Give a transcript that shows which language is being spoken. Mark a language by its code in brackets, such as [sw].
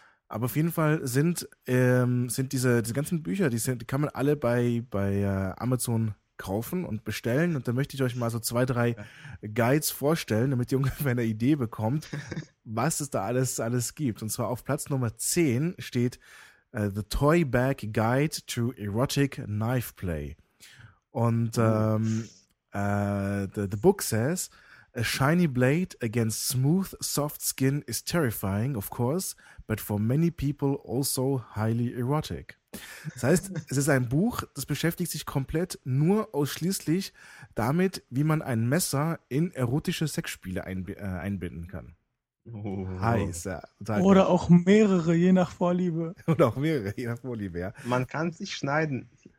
[de] Aber auf jeden Fall sind diese ganzen Bücher, die kann man alle bei Amazon kaufen und bestellen. Und da möchte ich euch mal so 2, 3 Guides vorstellen, damit ihr ungefähr eine Idee bekommt, was es da alles gibt. Und zwar auf Platz Nummer 10 steht The Toy Bag Guide to Erotic Knife Play. [en] Und the book says, a shiny blade against smooth, soft skin is terrifying, of course, but for many people also highly erotic. [de] Das heißt, es ist ein Buch, das beschäftigt sich komplett nur ausschließlich damit, wie man ein Messer in erotische Sexspiele einbinden kann. Oh. Heiß, ja. Oder auch mehrere, je nach Vorliebe. Oder auch mehrere, je nach Vorliebe, ja. Man kann sich schneiden.